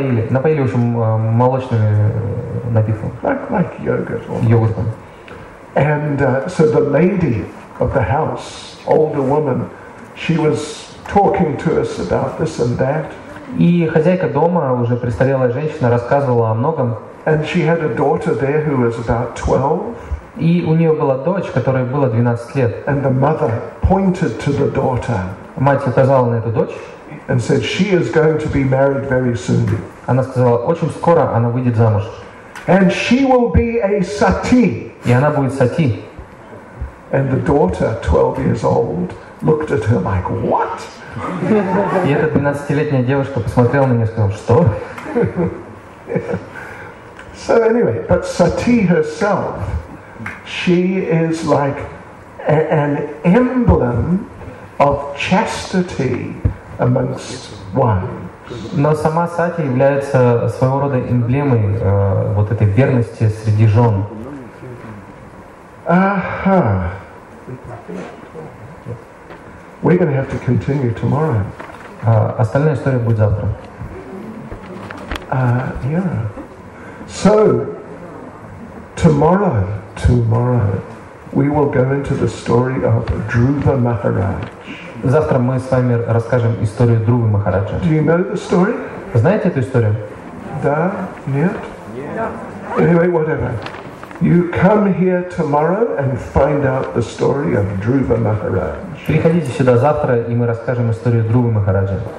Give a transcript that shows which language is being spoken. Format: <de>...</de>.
<ru>Напоили, в общем, молочными напитками.</ru> <en>Like yogurt.</en> <ru>Йогуртом.</ru> <en>And so the lady of the house, older woman, she was talking to us about this and that.</en> <ru>И хозяйка дома, уже престарелая женщина, рассказывала о многом.</ru> <en>And she had a daughter there who was about 12.</en> <ru>И у нее была дочь, которой было 12 лет.</ru> <en>And the mother pointed to the daughter.</en> <ru>Мать указала на эту дочь.</ru> <en>And said, she is going to be married very soon.</en> <ru>Она сказала, очень скоро она выйдет замуж.</ru> <en>And she will be a sati.</en> <ru>И она будет сати.</ru> <en>And the daughter, 12 years old, looked at her like, what?</en> <ru>И эта 12-летняя девушка посмотрела на меня и сказала, что?</ru> <en>So anyway, but Sati herself, she is like an emblem of chastity amongst wives.</en> <ru>Но сама Сати является своего рода эмблемой вот этой верности среди жен. Aha.</ru> <en>We're going to have to continue tomorrow.</en> <ru>Остальная история будет завтра.</ru> <en>Yeah. So, tomorrow, we will go into the story of Dhruva Maharaj.</en> <ru>Завтра мы с вами расскажем историю Друвы Махараджа.</ru> <en>Do you know the story?</en> <ru>Знаете эту историю? Да? Нет? Yeah.</ru> <en>Anyway, whatever. You come here tomorrow and find out the story of Dhruva Maharaj.</en> <ru>Приходите сюда завтра, и мы расскажем историю Друвы Махараджа.</ru>